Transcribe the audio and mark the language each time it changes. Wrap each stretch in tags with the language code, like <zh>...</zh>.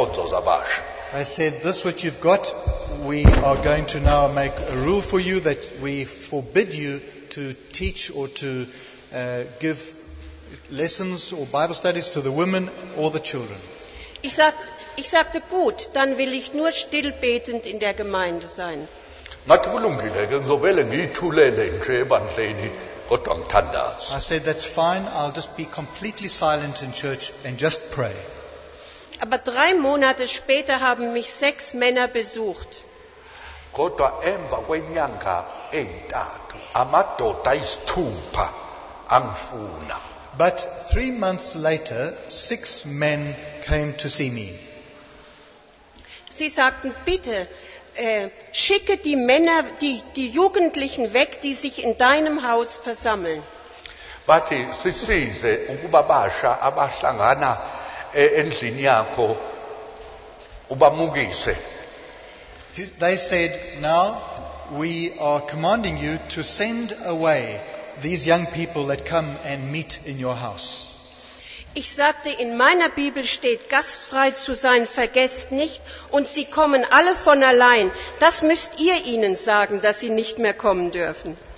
<en>I said, this which you've got, we are going to now make a rule for you that we forbid you to teach or to give lessons or Bible studies to the women or the children.</en> <de>Ich sagte, gut, dann will ich nur still betend in der Gemeinde sein.</de> <en>I said, that's fine, I'll just be completely silent in church and just pray.</en> <de>Aber 3 Monate später haben mich 6 Männer besucht.</de> <zu>Kodwa emva kwenyanga entathu, amadoda ayisithupha angifuna.</zu> <en>But 3 months later, 6 men came to see me.</en> <de>Sie sagten, bitte, schicke die Männer, die Jugendlichen weg, die sich in deinem Haus versammeln.</de> <zu>Bathi, sisize ukuba basha abahlangana endlini yakho ubamukise.</zu> <en>They said, now we are commanding you to send away these young people that come and meet in your house.</en> <de>Ich sagte, in meiner Bibel steht, gastfrei zu sein, vergesst nicht, und sie kommen alle von allein. Das müsst ihr ihnen sagen, dass sie nicht mehr kommen dürfen.</de>